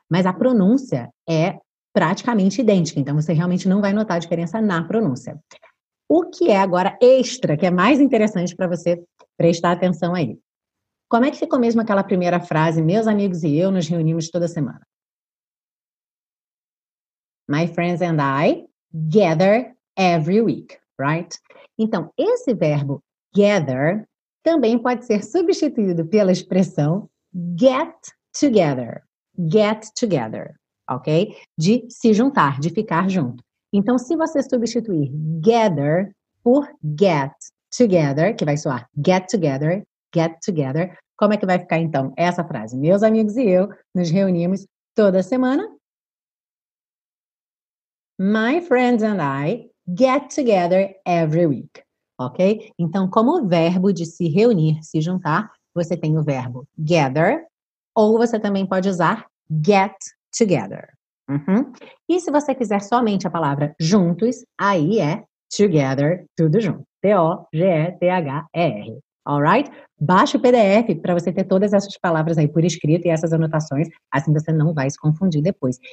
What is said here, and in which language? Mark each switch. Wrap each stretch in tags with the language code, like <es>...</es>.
<pt>Mas a pronúncia é praticamente idêntica, então você realmente não vai notar a diferença na pronúncia. O que é agora extra, que é mais interessante para você prestar atenção aí? Como é que ficou mesmo aquela primeira frase, meus amigos e eu nos reunimos toda semana?</pt> <en>My friends and I gather every week, right?</en> <pt>Então, esse verbo gather também pode ser substituído pela expressão get together. Get together, ok? De se juntar, de ficar junto. Então, se você substituir gather por get together, que vai soar get together, como é que vai ficar, então, essa frase? Meus amigos e eu nos reunimos toda semana.</pt> <en>My friends and I get together every week.</en> <pt>Ok? Então, como verbo de se reunir, se juntar, você tem o verbo gather, ou você também pode usar get together. Uhum. E se você quiser somente a palavra juntos, aí é together, tudo junto. T-O-G-E-T-H-E-R. Alright? Baixe o PDF para você ter todas essas palavras aí por escrito e essas anotações, assim você não vai se confundir depois.</pt>